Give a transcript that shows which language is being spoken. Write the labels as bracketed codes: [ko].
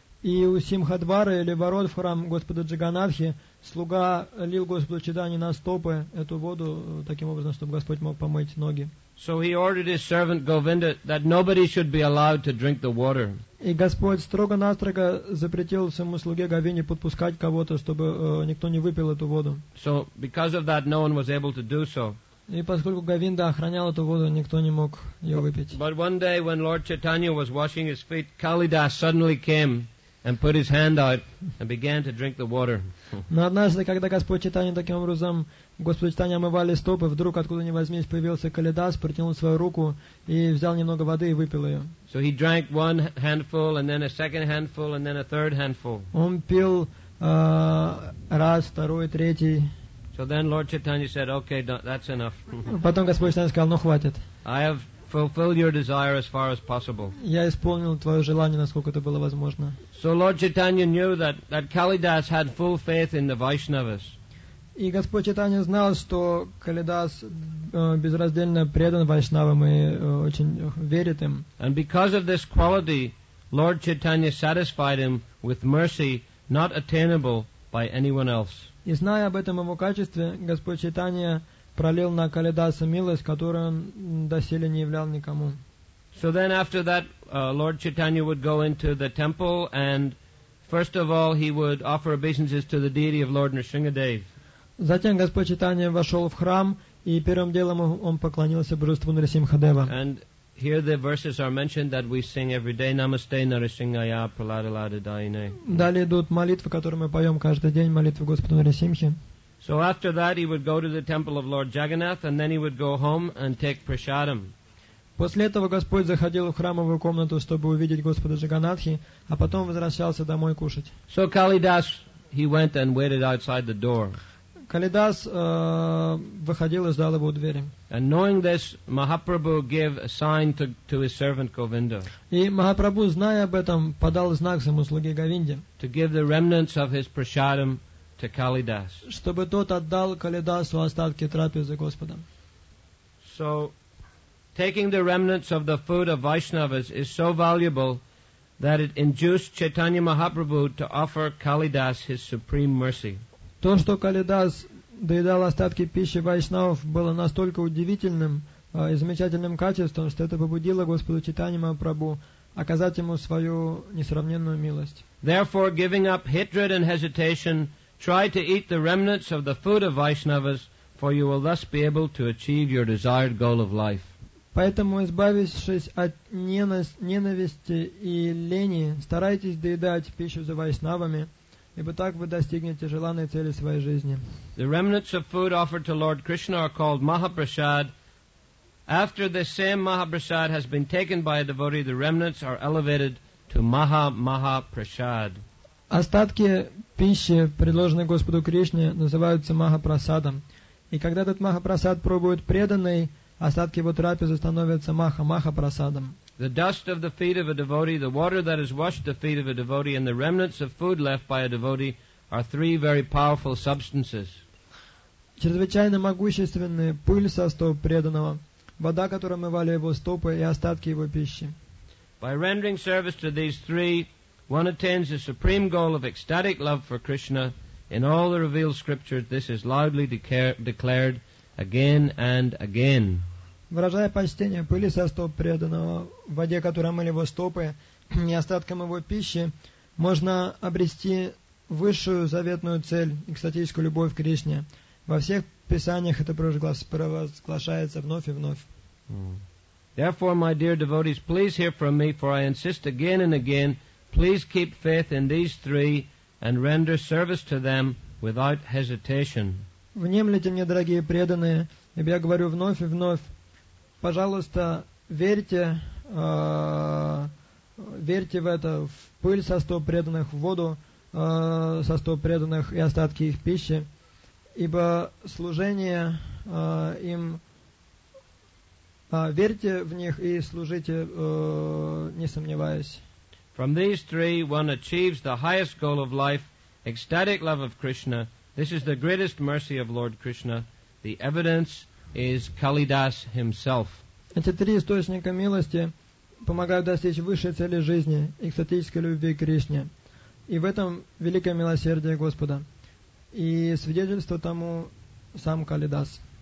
[ru] И у Симхадвары, или ворот в храм Господа Джаганнатхи, слуга лил Господу Чайтанье на стопы эту воду, таким образом, чтобы Господь мог помыть ноги. [en] So he ordered his servant Govinda that nobody should be allowed to drink the water. [ru] И Господь строго-настрого запретил своему слуге Говинде подпускать кого-то, чтобы никто не выпил эту воду. [en] So because of that, no one was able to do so. [ru] И поскольку Говинда охранял эту воду, никто не мог ее выпить. [en] But one day when Lord Chaitanya was washing his feet, Kalidas suddenly came and put his hand out and began to drink the water. [ru] Но однажды, когда Господь Чайтанья таким образом, Господь Чайтанья омывали стопы, вдруг откуда ни возьмись появился Калидас, протянул свою руку и взял немного воды и выпил ее. [en] So he drank one handful and then a second handful and then a third handful. [ru] Он пил раз, второй, третий. [en] So then Lord Chaitanya said, okay, that's enough. [ru] Потом Господь Чайтанья сказал, ну хватит. [en] I have fulfill your desire as far as possible. [ru] Я исполнил твое желание, насколько это было возможно. [en] So Lord Chaitanya knew that Kalidas had full faith in the Vaishnavas. [ru] И Господь Чайтанья знал, что Калидас безраздельно предан Вайшнавам и очень верит им. [en] And because of this quality, Lord Chaitanya satisfied him with mercy not attainable by anyone else. [ru] И зная об этом его качестве, Господь Чайтанья пролил на Калидаса милость, которую он доселе не являл никому. [en] So then after that, Lord Chaitanya would go into the temple and first of all he would offer obeisances to the deity of Lord Nrisimhadev. [ru] Затем Господь Чайтанья вошел в храм и первым делом он поклонился божеству Нрисимхадева. [en] And here the verses are mentioned that we sing every day. [sa] Namaste Narasimhaya Praladalada Daine. [ru] Далее идут молитвы, которые мы поем каждый день, молитвы Господу Нрисимхе. [en] So after that he would go to the temple of Lord Jagannath and then he would go home and take prasadam. [ru] После этого Господь заходил в храмовую комнату, чтобы увидеть Господа Джаганнатхи, а потом возвращался домой кушать. [en] So Kalidas, he went and waited outside the door. [ru] Калидас выходил и ждал его у двери. [en] And knowing this, Mahaprabhu gave a sign to his servant Govinda. [ru] И Махапрабху, зная об этом, подал знак своему слуге Говинде. [en] To give the remnants of his prasadam to Kalidas. [ru] Чтобы тот отдал Калидасу остатки трапезы Господа. [en] So, taking the remnants of the food of Vaishnavas is so valuable that it induced Chaitanya Mahaprabhu to offer Kalidas his supreme mercy. [ru] То, что Калидас доедал остатки пищи Вайшнавов, было настолько удивительным и замечательным качеством, что это побудило Господу Чайтанья Махапрабху оказать ему свою несравненную милость. [en] Therefore, giving up hatred and hesitation, try to eat the remnants of the food of Vaishnavas, for you will thus be able to achieve your desired goal of life. [ru] Поэтому, избавившись от ненависти и лени, старайтесь доедать пищу за Вайшнавами, ибо так вы достигнете желанной цели своей жизни. [en] The remnants of food offered to Lord Krishna are called Mahaprasad. After the same Mahaprasad has been taken by a devotee, the remnants are elevated to Maha-Maha-Prasad. [ru] Остатки пищи, предложенные Господу Кришне, называются Махапрасадом. И когда этот Махапрасад пробует преданный, остатки его трапезы становятся Маха-Маха-Прасадом. [en] The dust of the feet of a devotee, the water that has washed the feet of a devotee, and the remnants of food left by a devotee are three very powerful substances. [ru] Чрезвычайно могущественные пыль со стоп преданного, вода, которая омывала его стопы, и остатки его пищи. [en] By rendering service to these three, one attains the supreme goal of ecstatic love for Krishna. In all the revealed scriptures, this is loudly declared again and again. [ru] Выражая почтение пыли со стоп преданного, в воде, которой омыли его стопы, и остатком его пищи, можно обрести высшую заветную цель, экстатическую любовь к Кришне. Во всех писаниях это провозглашается вновь и вновь. [en] Therefore, my dear devotees, please hear from me, for I insist again and again Please keep faith in these three and render service to them without hesitation. [ru] Внемлите мне, дорогие преданные, ибо я говорю вновь и вновь. Пожалуйста, верьте в это, в пыль со стоп преданных, в воду со стоп преданных и остатки их пищи, ибо служение им... Верьте в них и служите, не сомневаясь. [en] From these three, one achieves the highest goal of life, ecstatic love of Krishna. This is the greatest mercy of Lord Krishna. The evidence is Kalidas himself. [ru] Эти три источника милости помогают достичь высшей цели жизни, экстатической любви к Кришне. И в этом великое милосердие Господа. И свидетельство тому сам Калидас.